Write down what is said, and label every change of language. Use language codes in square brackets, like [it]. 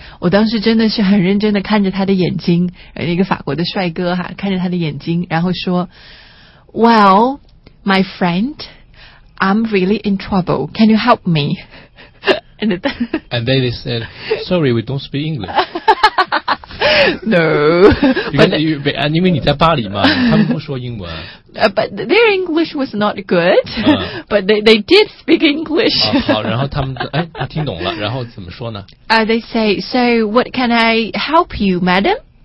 [zh] 我当时真的是很认真的看着他的眼睛，一个法国的帅哥哈，看着他的眼睛，然后说 ， [en] Well, my friend, I'm really in trouble. Can you help me? And then they said, "Sorry, we don't speak English." No, because you're in Paris, mah, they don't speak English. But their English was not good. But they did speak English. [zh] 好，然后他们哎，他听懂了，然后怎么说呢？ [en] They say, "So, what can I help you, madam?"